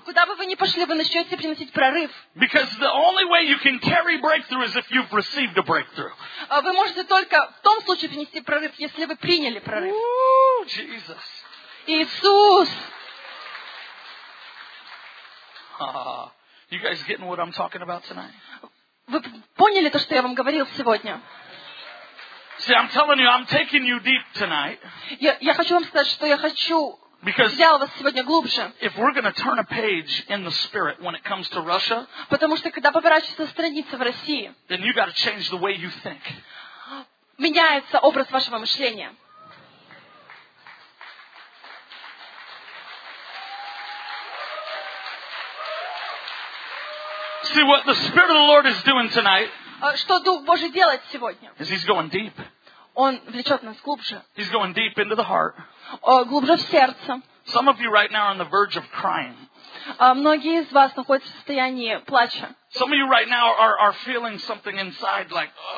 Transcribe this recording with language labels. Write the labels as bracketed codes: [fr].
[ru] Куда бы вы ни пошли, вы начнете приносить прорыв. [en] Because the only way you can carry breakthrough is if you've received a breakthrough. [ru] Вы можете только в том случае принести прорыв, если вы приняли прорыв. [en] Jesus. [ru] Иисус. [en] You guys getting what I'm talking about tonight? [ru] Вы поняли то, что я вам говорил сегодня? [en] See, I'm telling you, I'm taking you deep tonight. [ru] Я хочу вам сказать, что я хочу взял вас сегодня глубже. [en] If we're going to turn a page in the spirit when it comes to Russia, [ru] потому что когда поворачивается страница в России, [en] then you got to change the way you think. [ru] Меняется образ вашего мышления. [en] See what the Spirit of the Lord is doing tonight. [ru] Что Дух Божий делает сегодня? [en] Is he's going deep. [ru] Он влечет нас глубже. [en] He's going deep into the heart. [ru] Глубже в сердце. [en] Some of you right now are on the verge of crying. [ru] Многие из вас находятся в состоянии плача. [en] Some of you right now are feeling something inside like.